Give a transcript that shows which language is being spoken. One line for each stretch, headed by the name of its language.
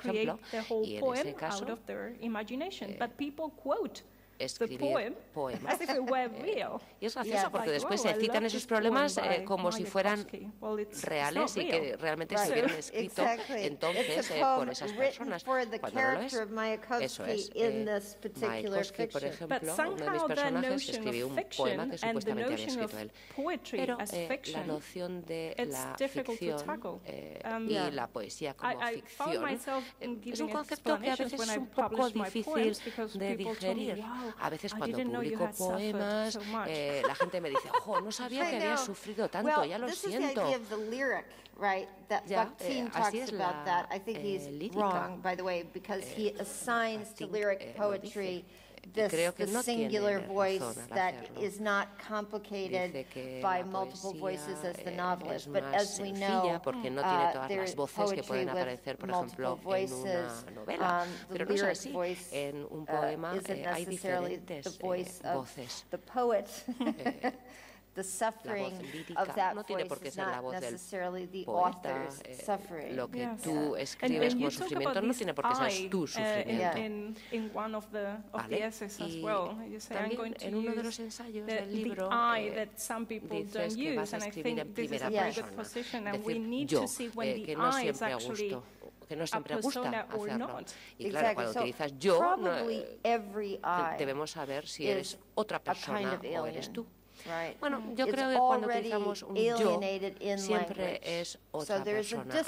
English: create the whole poem out of their imagination, but people quote
Spanish: poemas.
English: As if it were real.
Spanish: Y es gracioso porque después se citan esos problemas como si fueran reales y que realmente se hubieran escrito entonces por esas personas. Cuando no lo es, eso es. Mayakovsky, por ejemplo, uno de mis personajes, escribió un poema que supuestamente había escrito él. Pero la noción de la ficción y la poesía como ficción es un concepto que a veces es un poco difícil de digerir. A veces cuando publico poemas, la gente me dice, ¡jo, no sabía que había sufrido tanto, ya lo siento!
English: Right, that Bakhtin talks about that. I think he's wrong, by the way, because he assigns to lyric poetry this singular voice that is not complicated by multiple voices as the novelist. But as we know, there is poetry with multiple voices. The lyric voice isn't necessarily the voice of the poet. the suffering of that voice is not necessarily the author's suffering.
Spanish: Lo que tú escribes como sufrimiento no tiene por qué ser tu sufrimiento.
English: In one of the essays as well, you say I'm going to use the libro, I that some people don't use, and I think this is a very good position, and we need to see when the I is actually.
Spanish: Que no siempre gusta hacerlo. Y claro, cuando utilizas yo, no, debemos saber si eres otra persona o eres tú. Bueno, yo creo que cuando utilizamos un yo, siempre es otra persona.